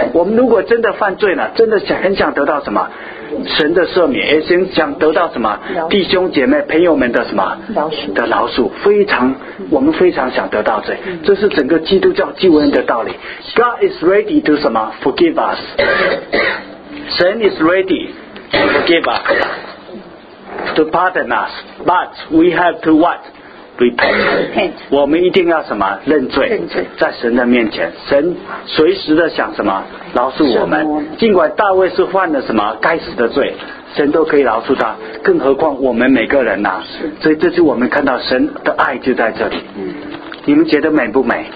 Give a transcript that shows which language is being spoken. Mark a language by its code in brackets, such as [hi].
[zh] 我们如果真的犯罪了，真的想很想得到什么神的赦免，也想得到什么弟兄姐妹朋友们的什么饶恕的饶恕，非常我们非常想得到罪，这是整个基督教救恩的道理。 [en] God is ready to [zh] 什么 [en] forgive us， 神 is ready。 Forgive us, to pardon us, but we have to what? Repent. [zh] 我们一定要什么？认罪。认罪。在神的面前，神随时的想什么？饶恕我们。尽管大卫是犯了什么该死的罪，神都可以饶恕他，更何况我们每个人呐、啊。所以这就我们看到神的爱就在这里。你们觉得美不美？